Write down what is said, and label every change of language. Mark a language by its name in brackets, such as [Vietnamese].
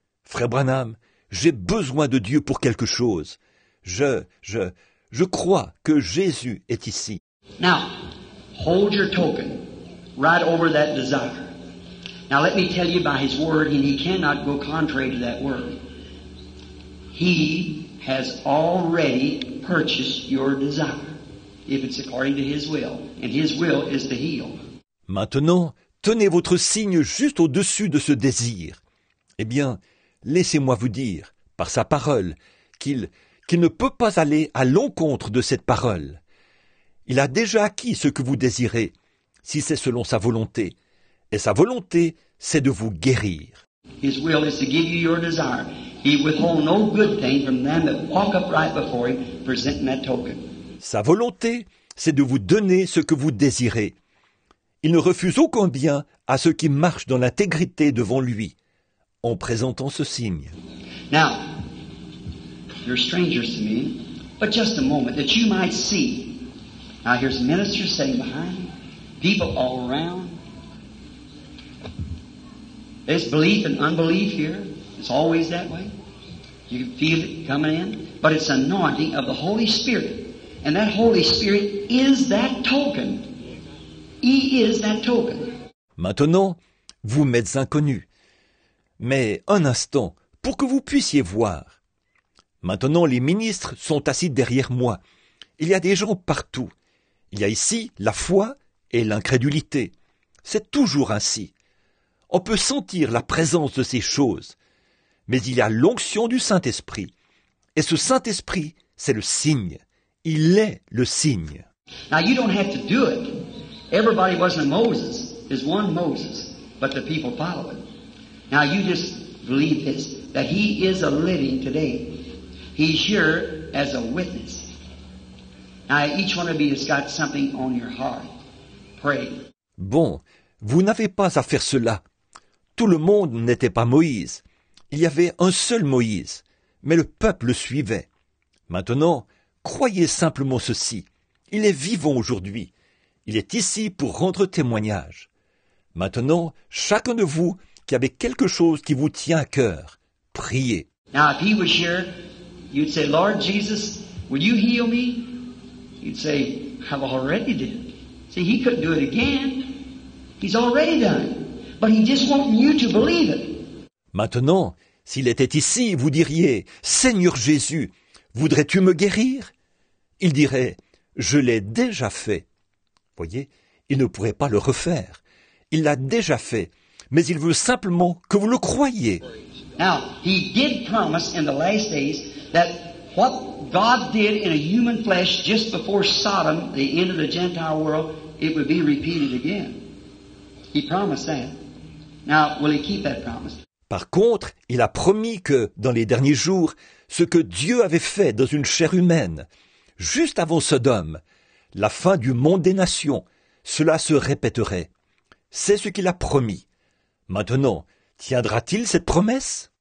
[French] Frère Branham, j'ai besoin de Dieu pour quelque chose. Je crois que Jésus est ici. [English] Now, hold your token right over that desire. Now, let me tell you by his word, and he cannot go contrary to that word. He has already purchased your desire, if it's according to his will. And his will is to heal. [French] Maintenant, tenez votre signe juste au-dessus de ce désir. Eh bien, laissez-moi vous dire, par sa parole, qu'il ne peut pas aller à l'encontre de cette parole. Il a déjà acquis ce que vous désirez, si c'est selon sa volonté. Et sa volonté, c'est de vous guérir. [English] His will is to give you your desire. He withhold no good thing from them that walk upright before him, presenting that token. [French] Sa volonté, c'est de vous donner ce que vous désirez. Il ne refuse aucun bien à ceux qui marchent dans l'intégrité devant lui, en présentant ce signe. [English] Now, you're strangers to me, but just a moment, that you might see. Now, here's ministers sitting behind, people all around. There's belief and unbelief here. It's always that way. You can feel it coming in. But it's anointing of the Holy Spirit. And that Holy Spirit is that token. He is that token. [French] Maintenant, vous m'êtes inconnu. Mais un instant, pour que vous puissiez voir. Maintenant, les ministres sont assis derrière moi. Il y a des gens partout. Il y a ici la foi et l'incrédulité. C'est toujours ainsi. On peut sentir la présence de ces choses. Mais il y a l'onction du Saint-Esprit. Et ce Saint-Esprit, c'est le signe. Il est le signe. [English] Now you don't have to do it. Everybody wasn't Moses. There's one Moses. But the people follow it. Now you just believe this. That he is a living today. He's here as a witness. Now each one of you has got something on your heart. Pray. [French] Bon, vous n'avez pas à faire cela. Tout le monde n'était pas Moïse. Il y avait un seul Moïse, mais le peuple le suivait. Maintenant, croyez simplement ceci. Il est vivant aujourd'hui. Il est ici pour rendre témoignage. Maintenant, chacun de vous qui avez quelque chose qui vous tient à cœur, priez. [English] Now, if he was here, you'd say, Lord Jesus, will you heal me? He'd say, I've already did. See, he couldn't do it again. He's already done. But he just wants you to believe it. [French] Maintenant, s'il était ici, vous diriez, « Seigneur Jésus, voudrais-tu me guérir ?» Il dirait, « Je l'ai déjà fait. » Voyez, il ne pourrait pas le refaire. Il l'a déjà fait, mais il veut simplement que vous le croyiez. [English] Now, he did promise in the last days that what God did in a human flesh just before Sodom, the end of the Gentile world, it would be repeated again. He promised that. Now, will he keep that promise? [French] Par contre, il a promis que, dans les derniers jours, ce que Dieu avait fait dans une chair humaine, juste avant Sodome, la fin du monde des nations, cela se répéterait. C'est ce qu'il a promis. Maintenant, tiendra-t-il cette promesse?